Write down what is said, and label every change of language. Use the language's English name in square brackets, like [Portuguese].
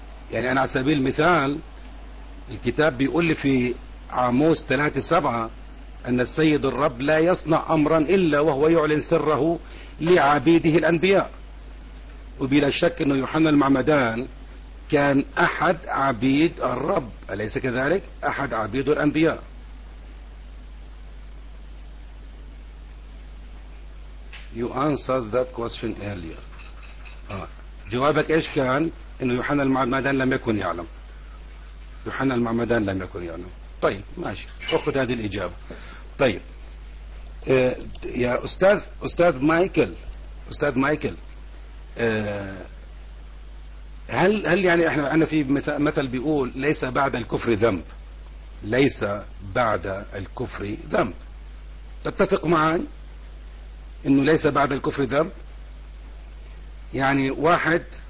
[Arabic] يعني انا على سبيل المثال الكتاب بيقول لي في عاموس 3:7 أن السيد الرب لا يصنع أمرا إلا وهو يعلن سره لعبيده الأنبياء، وبلا شك أن يوحنا المعمدان كان أحد عبيد الرب، أليس كذلك؟ أحد عبيد الأنبياء. [English] You answered that question earlier. [Arabic] جوابك إيش كان؟ أن يوحنا المعمدان لم يكن يعلم. يوحنا المعمدان لم يكن يعلم. طيب ماشي، أخذ هذه الإجابة. طيب يا أستاذ، أستاذ مايكل، أستاذ مايكل، هل يعني احنا أنا في مثل بيقول ليس بعد الكفر ذنب، ليس بعد الكفر ذنب، تتفق معي انه ليس بعد الكفر ذنب؟ يعني واحد